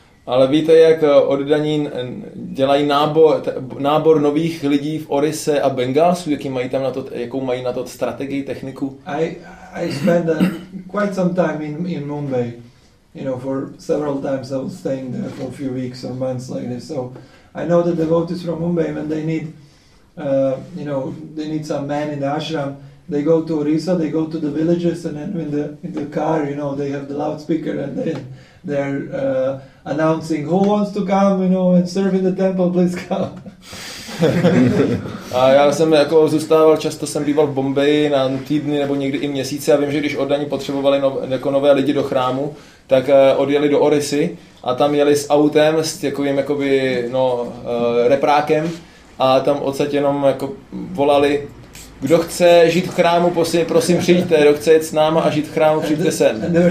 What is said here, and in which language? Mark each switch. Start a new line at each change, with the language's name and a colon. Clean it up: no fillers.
Czech: Ale víte, jak oddaní dělají nábor nových lidí v Orise a Bengalsu, jakou mají na to strategii, techniku?
English: I spent quite some time in Mumbai, you know, for several times I was staying there for a few weeks or months like this. So I know the devotees from Mumbai, when they need, you know, they need some man in the ashram, they go to Orissa, they go to the villages, and then in the car, you know, they have the loudspeaker and they're announcing who wants to come, you know, and serve in the temple, please come.
Czech: A já jsem jako zůstával, často jsem býval v Bombaji na týdny nebo někdy i měsíce a vím, že když oddaní potřebovali nové lidi do chrámu, tak odjeli do Orissy a tam jeli s autem, s takovým jakoby, no, reprákem a tam odsaď jenom jako volali, kdo chce žít v chrámu, prosím přijďte, kdo chce jít s náma a žít v chrámu, přijďte sem.